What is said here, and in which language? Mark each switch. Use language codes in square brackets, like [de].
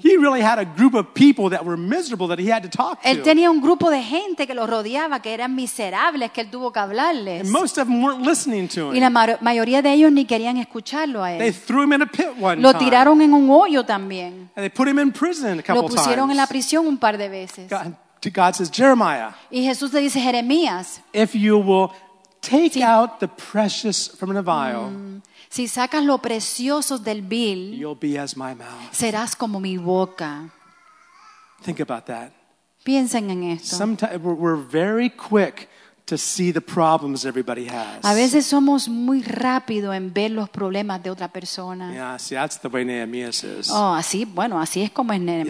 [en] He really had a group of people that were miserable that he had to talk to. [es] Él tenía un grupo de gente que lo rodeaba que eran miserables que él tuvo que hablarles. [en] And most of them weren't listening to him. [es] Y la mayoría de ellos ni querían escucharlo a él. [en] They threw him in a pit one time. [es] Lo tiraron en un hoyo también. [en] And they put him in prison a couple times. [es] Lo pusieron en la prisión un par de veces. [en] God says, Jeremiah. [es] Y Jesús le dice, Jeremías. [en] If you will take out the precious from the vial. [es] Si sacas lo precioso del vil, [en] you'll be as my mouth. [es] Serás como mi boca. [en] Think about that. [es] Piensen en esto. [en] Sometimes we're very quick to see the problems everybody has. [es] A veces somos muy rápido en ver los problemas de otra persona. [en] Yeah, see, that's the way Nehemiah is. [es] Oh, así, bueno, así es como es Nehemiah.